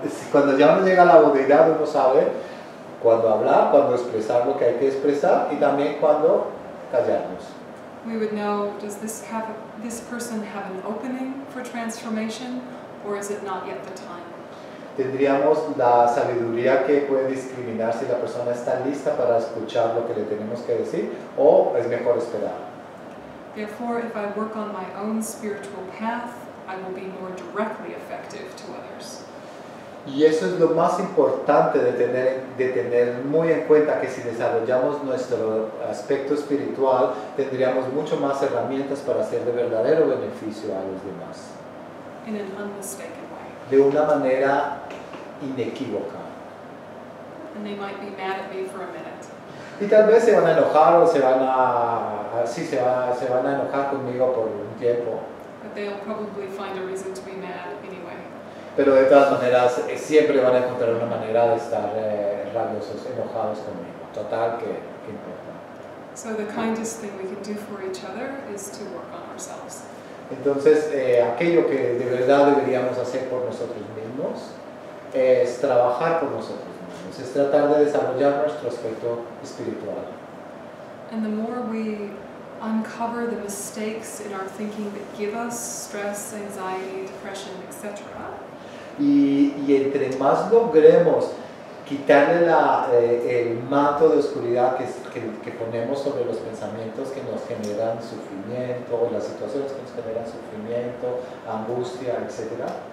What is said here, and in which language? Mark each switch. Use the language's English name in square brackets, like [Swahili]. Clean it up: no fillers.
[Spanish] Cuando ya uno llega a la budeidad, uno sabe cuándo hablar, cuándo expresar lo que hay que expresar y también cuándo callarnos. [English] We would know, does this person have an opening for transformation, or is it not yet the time? [Spanish] tendríamos la sabiduría que puede discriminar si la persona está lista para escuchar lo que le tenemos que decir o es mejor esperar. [English] Therefore, if I work on my own spiritual path, I will be more directly effective to others. [Spanish] Y eso es lo más importante de tener muy en cuenta, que si desarrollamos nuestro aspecto espiritual, tendríamos mucho más herramientas para hacer de verdadero beneficio a los demás. [English] In an unmistakable way. [Spanish] De una manera inequívoca. [English] And they might be mad at me for a minute. [Spanish] Y tal vez se van a enojar o se van a enojar conmigo por un tiempo. [English] But they'll probably find a reason to be mad anyway. [Spanish] Pero de todas maneras siempre van a encontrar una manera de estar rabiosos, enojados conmigo. Total, ¿qué importa? [English] So the kindest thing we can do for each other is to work on ourselves. [Spanish] Entonces, aquello que de verdad deberíamos hacer por nosotros mismos es trabajar por nosotros mismos, es tratar de desarrollar nuestro aspecto espiritual. [English] And the more we uncover the mistakes in our thinking that give us stress, anxiety, depression, etc. [Spanish] Y entre más logremos quitarle el manto de oscuridad que ponemos sobre los pensamientos que nos generan sufrimiento, o las situaciones que nos generan sufrimiento, angustia, etc.